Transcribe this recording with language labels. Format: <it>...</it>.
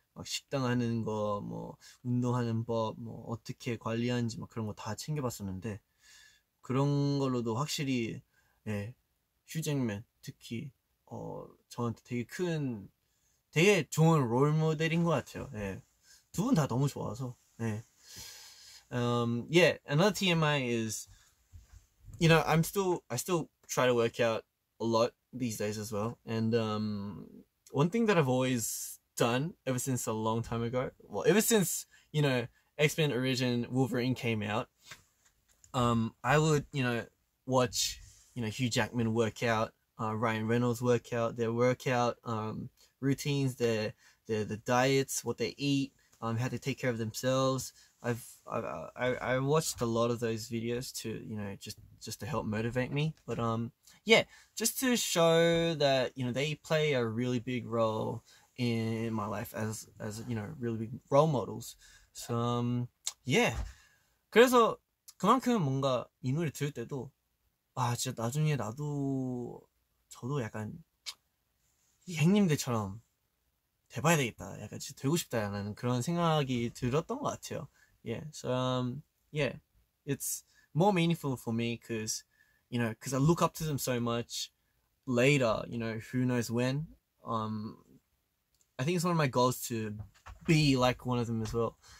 <ko>막 식단 하는 거, 뭐 운동하는 법, 뭐 어떻게 관리하는지 막 그런 거 다 챙겨봤었는데 그런 걸로도 확실히 예, 휴잭맨 특히 저한테 되게 큰 되게 좋은 롤 모델인 것 같아요. 예. 두 분 다 너무 좋아서 예.</ko> <en>Yeah, another TMI is you know I still try to work out a lot these days as well. And one thing that I've always done ever since a long time ago, well, ever since, you know, X-Men Origin Wolverine came out, I would, you know, watch, you know, Hugh Jackman work out, Ryan Reynolds work out, their workout routines, their diets, what they eat, how to take care of themselves. I watched a lot of those videos to, you know, just to help motivate me. But yeah, just to show that, you know, they play a really big role in my life as you know, really big role models. So yeah.</en> <ko>그래서 그만큼 뭔가 이 노래 들을 때도 아, 진짜 나중에 나도 저도 약간 형님들처럼 돼봐야 되겠다. 약간 진짜 되고 싶다라는 그런 생각이 들었던 것 같아요.</ko> <en>Yeah. So yeah. It's more meaningful for me because, you know, because I look up to them so much later, you know, who knows when. I think it's one of my goals to be like one of them as well.</en>